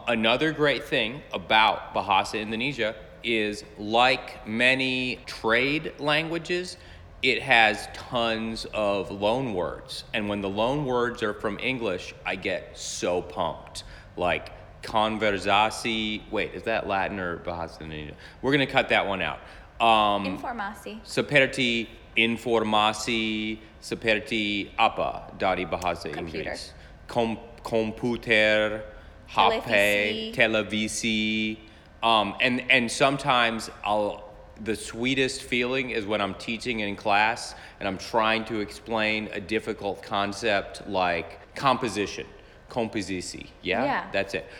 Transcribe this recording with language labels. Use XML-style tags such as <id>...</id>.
<en>Another great thing about Bahasa Indonesia is, like many trade languages, it has tons of loan words. And when the loan words are from English, I get so pumped. Like, conversasi, wait, is that Latin or Bahasa Indonesia? We're gonna cut that one out.</en> <id>Informasi. Seperti informasi, seperti apa, dari Bahasa Inggris. Komputer, HP, televisi.</id> <en>And sometimes the sweetest feeling is when I'm teaching in class and I'm trying to explain a difficult concept like composition. Composisi, yeah, that's it.</en>